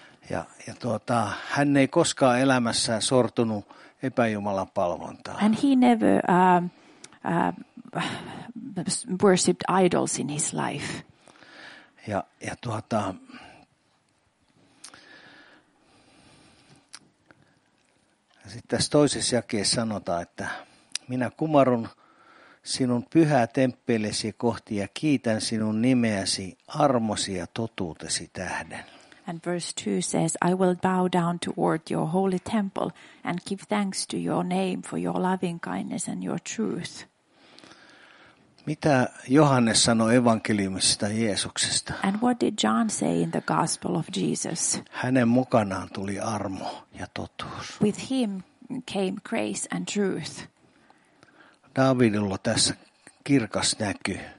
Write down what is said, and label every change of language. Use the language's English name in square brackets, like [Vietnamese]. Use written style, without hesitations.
[Finnish] Ja hän ei koskaan elämässään sortunut epäjumalan palvontaan. [English] And he never worshipped idols in his life. [Finnish] Ja sitten tässä toisessa jakeessa sanotaan, että minä kumarun sinun pyhää temppelesi kohti ja kiitän sinun nimeäsi, armosi ja totuutesi tähden. [English] And verse 2 says, I will bow down toward your holy temple and give thanks to your name for your loving kindness and your truth. [Finnish] Mitä Johannes sanoi evankeliumista Jeesuksesta? [English] And what did John say in the gospel of Jesus? [Finnish] Hänen mukanaan tuli armo ja totuus. [English] With him came grace and truth. [Finnish] Davidilla tässä kirkas näky.